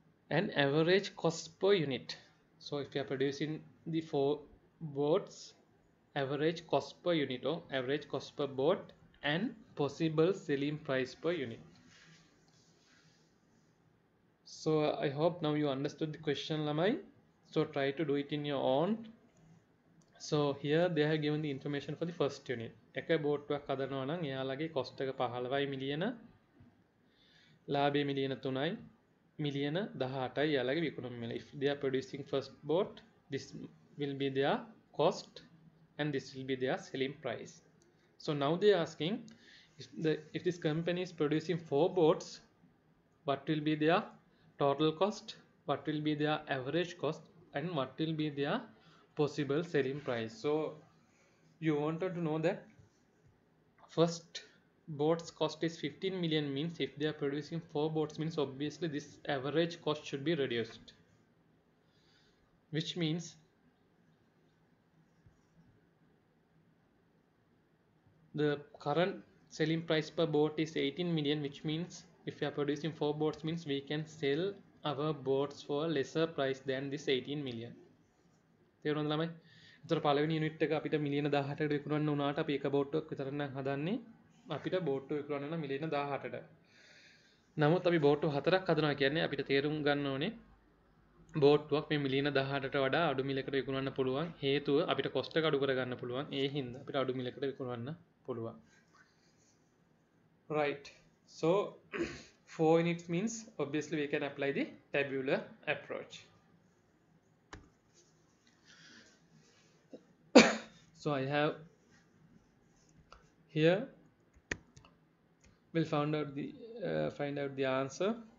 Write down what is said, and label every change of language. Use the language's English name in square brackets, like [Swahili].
[English] And average cost per unit. So if you are producing the 4 boats, average cost per unit or average cost per boat and possible selling price per unit. So I hope now you understood the question, Lamai. So try to do it in your own. So here they have given the information for the first unit. [Sinhala] එක බෝට්ටුවක් හදනවා නම් එයාලගේ cost එක 15 මිලියන, ලාභය මිලියන 3යි, මිලියන 18යි එයාලගේ විකුණුම් මිල. [English] If they are producing first boat, this will be their cost and this will be their selling price. So now they are asking if this company is producing 4 boats, what will be their total cost, what will be their average cost and what will be their possible selling price. So you wanted to know that first boat's cost is 15 million means if they are producing 4 boats means obviously this average cost should be reduced, which means the current selling price per boat is 18 million, which means if you are producing 4 boats means we can sell our boats for a lesser price than this 18 million. [Sinhala] තේරුණාද ළමයි? එතකොට පළවෙනි unit එක අපිට මිලියන 18ට විකුණන්න වුණාට අපි එක බෝට්ටුවක් විතරක් හදන්නේ අපිට බෝට්ටුව විකුණන්න නම් මිලියන 18ට. නමුත් අපි බෝට්ටු හතරක් හදනවා කියන්නේ අපිට තේරුම් ගන්න ඕනේ බෝට්ටුවක් මේ මිලියන 18ට වඩා අඩු මිලකට විකුණන්න පුළුවන්. හේතුව අපිට කොස්ට් එක අඩු කරගන්න පුළුවන්. ඒ හින්දා අපිට අඩු මිලකට විකුණන්න පුළුවන්. [English] Right. So 4 units means obviously we can apply the tabular approach. So I have here we'll find out the answer.